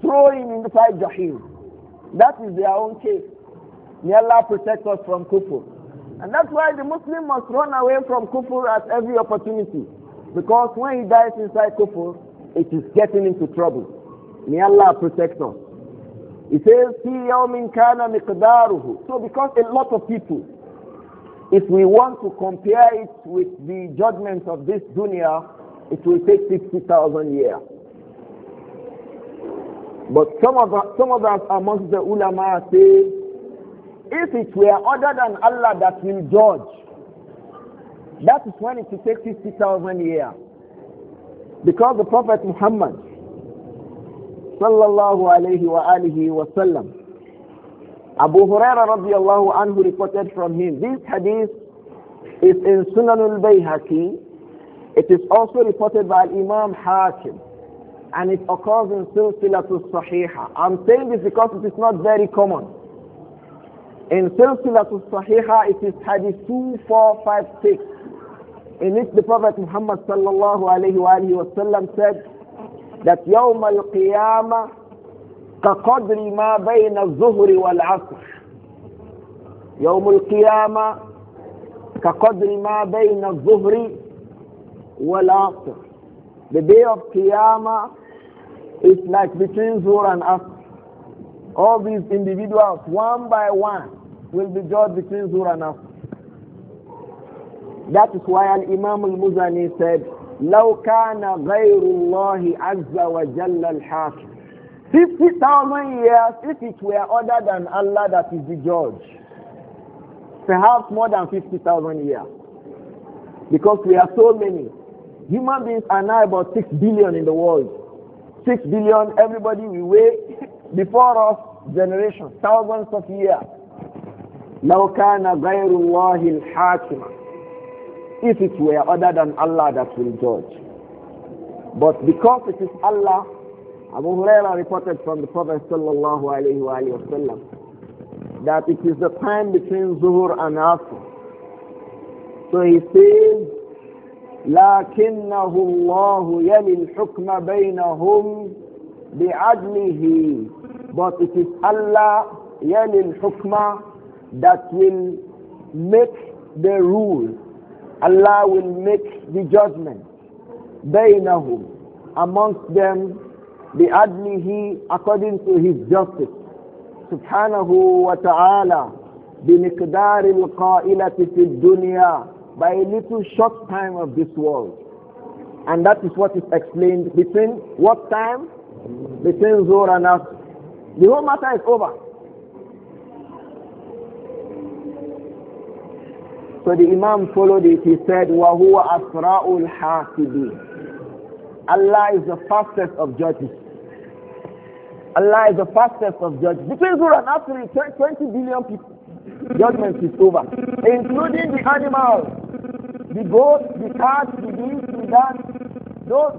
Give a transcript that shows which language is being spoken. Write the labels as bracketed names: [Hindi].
[English] throw him inside Jaheem. That is their own case. May Allah protect us from kufr. And that's why the Muslim must run away from kufr at every opportunity. Because when he dies inside kufr, it is getting into trouble. May Allah protect us. He says, [Arabic] فِي يَوْمٍ كَانَ مِقْدَارُهُ. [English] So because a lot of people, if we want to compare it with the judgment of this dunya, it will take 60,000 years. But some of us amongst the ulama say, if it were other than Allah that will judge, that is when it will take 50,000 years. Because the Prophet Muhammad sallallahu alayhi wa alihi wa sallam, Abu Huraira radiallahu anhu reported from him, this hadith is in Sunan al-Bayhaqi. It is also reported by Imam Hakim, and it occurs in Silsilat al-Sahiha. I'm saying this because it is not very common. In Silsilat al-Sahiha, it is hadith 2456. In it, the Prophet Muhammad sallallahu alayhi wa alihi wa sallam said that [Arabic] يوم القيامة كقدر ما بين الظهر والعصر. يوم القيامة كقدر ما بين الظهر والعصر. [English] The day of Qiyamah is like between Zuhr and Asr. All these individuals, one by one, will be judged between Zuhr and Asr. That is why Al-Imam Al-Muzani said, [Arabic] لو كان غير الله عز وجل الحاكم. [English] 50,000 years, if it were other than Allah that is the judge, perhaps more than 50,000 years, because we are so many. Human beings are now about 6 billion in the world. 6 billion, everybody we weigh before us, generations, thousands of years. [Arabic] لو كان غير الله الحاكم. [English] If it were other than Allah that will judge. But because it is Allah, Abu Huraira reported from the Prophet sallallahu alayhi wa alayhi wa sallam, that it is the time between Zuhur and Asr. So he says, [Arabic] لَكِنَّهُ اللَّهُ يَلِي الْحُكْمَ بَيْنَهُمْ بِعَدْلِهِ. [English] But it is Allah [Arabic] يَلِي الْحُكْمَ [English] that will make the rule. Allah will make the judgment [Arabic] بَيْنَهُمْ [English] amongst them [Arabic] بِعَدْلِهِ [English] according to his justice. [Arabic] سُبْحَانَهُ وَتَعَالَى بِمِقْدَارِ الْقَائِلَةِ فِي الدُّنْيَا [English] by a little short time of this world. And that is what is explained between what time? Between Zuhr and Asr. The whole matter is over. So the Imam followed it. He said, [Arabic] وَهُوَ أَسْرَاءُ الْحَاسِبِينَ. [English] Allah is the fastest of judges. Allah is the fastest of judges. Between Zuhr and Asr, 20 billion people. Judgment is over. Including the animals. The goat, the cat, the beast, the dog.